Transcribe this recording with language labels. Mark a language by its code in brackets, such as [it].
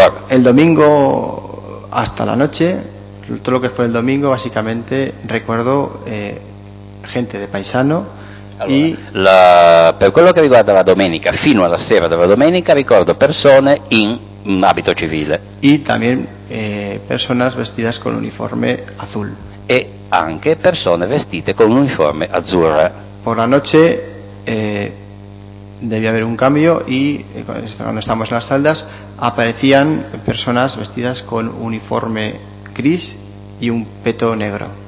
[es] El domingo hasta la noche, todo lo que fue el domingo, básicamente recuerdo gente de paisano. [it] Allora, per quello che riguarda la domenica, fino alla sera della domenica, ricordo persone in abito civile. [es] Y también personas vestidas con uniforme azul. [it] E anche persone vestite con uniforme azzurro. [es] Por la noche debía haber un cambio y cuando estábamos en las celdas aparecían personas vestidas con uniforme gris y un peto negro.